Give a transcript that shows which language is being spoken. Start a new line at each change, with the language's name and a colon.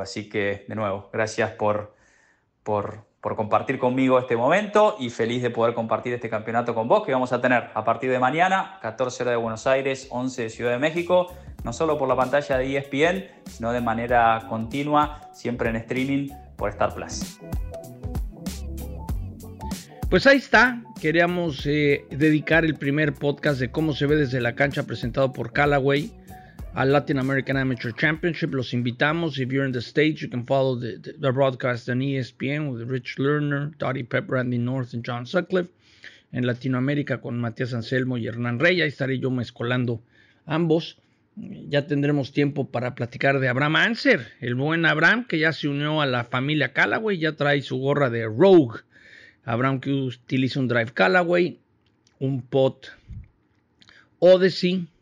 Spanish: Así que, de nuevo, gracias por compartir conmigo este momento y feliz de poder compartir este campeonato con vos, que vamos a tener a partir de mañana, 14 horas de Buenos Aires, 11 de Ciudad de México, no solo por la pantalla de ESPN, sino de manera continua, siempre en streaming por Star Plus. Pues ahí está, queríamos dedicar el primer podcast de cómo se ve desde la cancha presentado por Callaway al Latin American Amateur Championship. Los invitamos,
English: if you're in the States, you can follow the broadcast on ESPN with Rich Lerner, Dottie Pepp, Randy North and John Sutcliffe.
Spanish: En Latinoamérica con Matías Anselmo y Hernán Rey, ahí estaré yo mezcolando ambos. Ya tendremos tiempo para platicar de Abraham Anser, el buen Abraham que ya se unió a la familia Callaway, ya trae su gorra de Rogue. Abraham que utiliza un drive Callaway, un pot Odyssey.